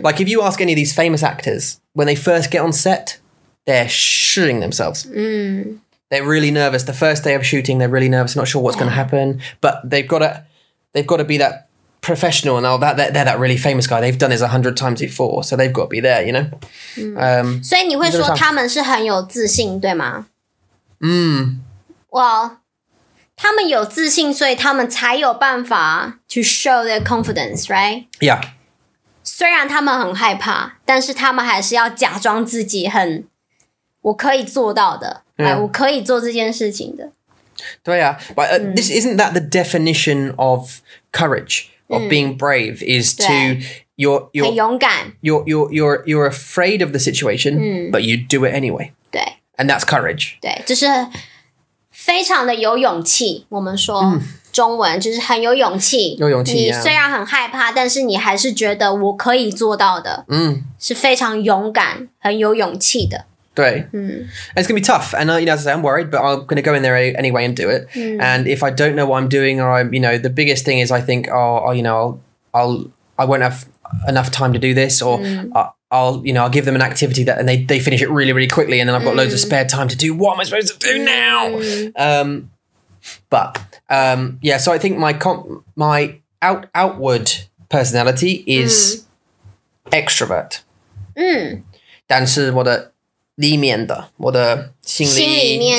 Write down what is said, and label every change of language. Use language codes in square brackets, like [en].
[en] like if you ask any of these famous actors when they first get on set they're shitting themselves、嗯、 they're really nervous the first day of shooting they're really nervous not sure what's、yeah. going to happen but they've got to be thatprofessional and all that they're that really famous guy they've done this 100 times before so they've got to be there you know、 [zh] 嗯、所以你会说他们是很有自信对吗嗯 well 他们有自信所以他们才有办法 [en] to show their confidence right yeah [zh] 虽然他们很害怕但是他们还是要假装自己很我可以做到的、 [en] yeah. [zh] 我可以做这件事情的对啊 [en] but、this isn't that the definition of courageOf being brave is to you're [zh] 很勇敢 [en] you're afraid of the situation、嗯、 but you do it anyway [zh] 对 [en] and that's courage [zh] 对就是非常的有勇气我们说中文、嗯、就是很有勇气有勇气你虽然很害怕、 [en] yeah. [zh] 但是你还是觉得我可以做到的、嗯、是非常勇敢很有勇气的对、嗯、 [en] and it's gonna be tough and、you know, as I say I'm worried but I'm gonna go in there anyway and do it、嗯、 and if I don't know what I'm doing or I'm you know the biggest thing is I think oh you know I won't have enough time to do this or、嗯、 I'll you know I'll give them an activity that and they finish it really really quickly and then I've got、嗯、 loads of spare time to do what am I supposed to do now、嗯、 but yeah so I think my outward personality is、嗯、 extrovert、嗯、 [zh] 但是我的里面的我的心里面